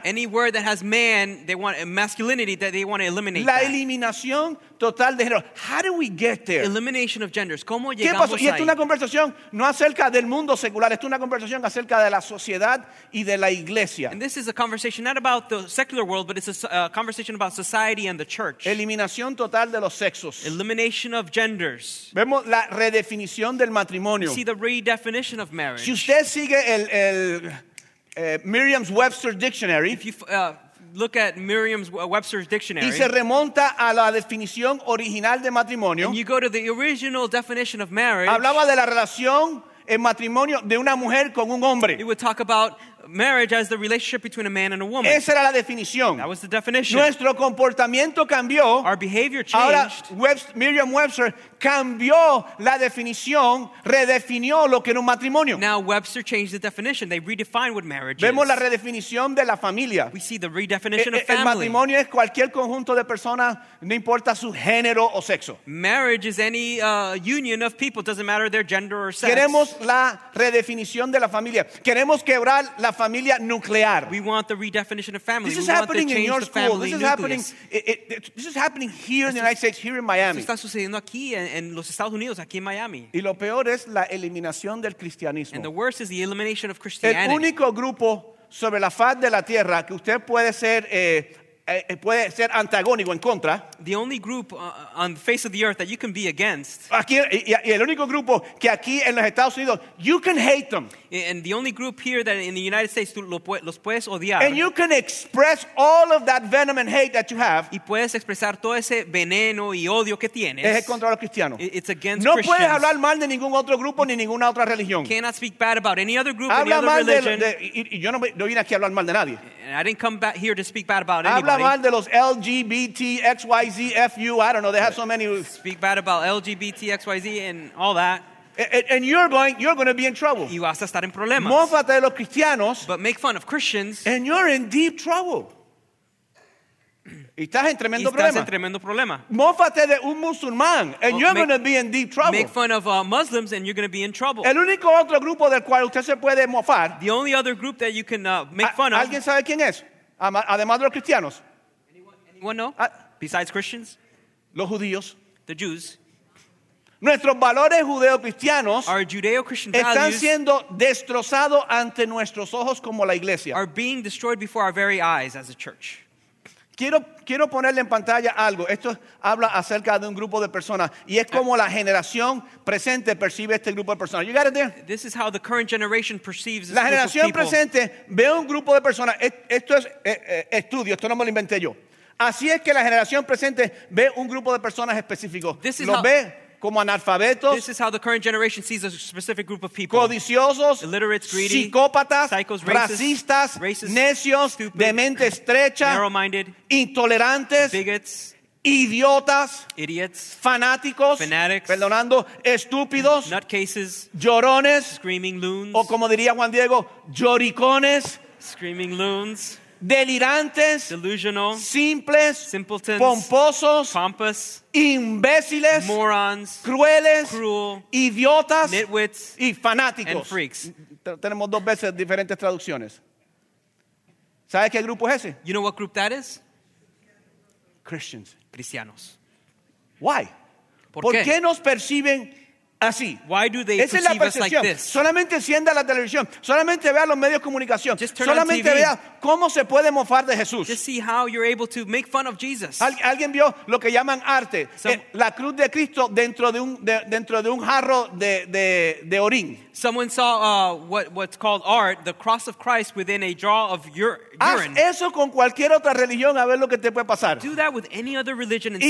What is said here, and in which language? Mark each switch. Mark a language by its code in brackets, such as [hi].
[en] Any word that has man, they want masculinity, that they want to eliminate. [es] La [en] that. [es] Eliminación total de género. [en] How do we get there? Elimination of genders. [es] ¿Cómo llegamos ¿qué pasó? Ahí? Y esto es una conversación no acerca del mundo secular, esto es una conversación acerca de la sociedad y de la iglesia. [en] And this is a conversation not about the secular world, but it's a conversation about society and the church. [es] Eliminación total de los sexos. [en] Elimination of genders. [es] Vemos la redefinición del matrimonio. [en] See the redefinition of marriage. [es] Si usted sigue Merriam-Webster Dictionary. [en] If you look at Merriam-Webster's dictionary, [es] y se remonta a la definición original de matrimonio. [en] And you go to the original definition of marriage. [es] Hablaba de la relación en matrimonio de una mujer con un hombre. [en] It would talk about marriage as the relationship between a man and a woman. [es] Esa era la definición. [en] That was the definition. [es] Nuestro comportamiento cambió. [en] Our behavior changed. [es] Ahora Merriam-Webster cambió la definición, redefinió lo que era un matrimonio. [en] Now Webster changed the definition. They redefined what marriage [es] vemos Vemos la redefinición de la familia. [en] We see the redefinition of family. [es] El matrimonio es cualquier conjunto de personas, no importa su género o sexo. [en] Marriage is any union of people. It doesn't matter their gender or sex. [es] Queremos la redefinición de la familia. Queremos quebrar la familia nuclear. [en] We want the redefinition of family. This we is happening in your school. This is nucleus. Happening. This is happening here in the United States, here in Miami. [es] Esto está sucediendo aquí en los Estados Unidos, aquí en Miami. Y lo peor es la eliminación del cristianismo. [en] And the worst is the elimination of Christianity. [es] El único grupo sobre la faz de la tierra que usted puede ser antagónico en contra. [en] The only group on the face of the earth that you can be against. [es] Aquí, y el único grupo que aquí en los Estados Unidos, [en] you can hate them. And the only group here that in the United States [es] los puedes odiar. [en] And you can express all of that venom and hate that you have. [es] Y puedes expresar todo ese veneno y odio que tienes. Es contra los cristianos. [en] It's against [es] no [en] Christians. [es] Puedes hablar mal de ningún otro grupo ni ninguna otra religión. [en] You cannot speak bad about any other group, [es] habla [en] any other religion. [es] Y yo no vine aquí a hablar mal de nadie. [en] I didn't come back here to speak bad about [es] habla [en] anybody. [es] Habla mal de los [en] LGBT, XYZ, FU, I don't know, they have so many. Speak bad about LGBT, XYZ and all that. And you're going to be in trouble. [es] Y vas a estar en problemas. Mófate de los cristianos. [en] But make fun of Christians. And you're in deep trouble. [es] Y estás en tremendo problema. Estás en tremendo problema. Mófate de un musulmán. [en] And you're going to be in deep trouble. Make fun of Muslims and you're going to be in trouble. [es] El único otro grupo del cual usted se puede mofar. [en] The only other group that you can make fun of. [es] ¿Alguien sabe quién es? Además de los cristianos. [en] Anyone know? Besides Christians? [es] Los judíos. [en] The Jews. [es] Nuestros valores judeo-cristianos están siendo destrozados ante nuestros ojos como la iglesia. [en] Are being destroyed before our very eyes as a church. [es] Quiero ponerle en pantalla algo. Esto habla acerca de un grupo de personas y es como la generación presente percibe este grupo de personas. [en] You got it there? This is how the current generation perceives this [es] la generación [en] group of people. [es] Presente ve un grupo de personas. Esto es estudio, esto no me lo inventé yo. Así es que la generación presente ve un grupo de personas específico. [en] This is [es] los [en] how [es] ve como analfabetos, [en] this is how the current generation sees a specific group of people. [es] Codiciosos, [en] illiterates, greedy, [es] psicópatas, [en] psychos, [es] racistas, [en] racist, [es] necios, [en] stupid, [es] de mente estrecha, [en] narrow-minded, [es] intolerantes, [en] bigots, [es] idiotas, [en] idiots, [es] fanáticos, [en] fanatics, [es] perdonando, estúpidos, [en] nutcases, [es] llorones, [en] screaming loons, [es] o como diría Juan Diego, lloricones, [en] screaming loons. [es] delirantes, [en] delusional, [es] simples, [en] simpletons, [es] pomposos, [en] pompous, [es] imbéciles, [en] morons, [es] crueles, [en] cruel, [es] idiotas, [en] nitwits, [es] y fanáticos, [en] and freaks. [es] Tenemos dos veces diferentes traducciones. ¿Sabes qué grupo es ese? [en] You know what group that is? Christians. [es] Cristianos. [en] Why? [es] ¿Por qué nos perciben así? [en] Why do they [es] Esa [en] perceive [es] es la percepción. [en] Us like this? [es] Solamente encienda la televisión. Solamente vea los medios de comunicación. [en] Just turn [es] Solamente [en] on TV. [es] Vea cómo se puede mofar de Jesús. [en] Just see how you're able to make fun of Jesus. [es] ¿Alguien vio lo que llaman arte? La cruz de Cristo dentro de un jarro de orín. [en] Someone saw what's called art, the cross of Christ within a jar of urine. [es] Haz eso con cualquier otra religión a ver lo que te puede pasar. [en] Do that with any other religion and [es] y,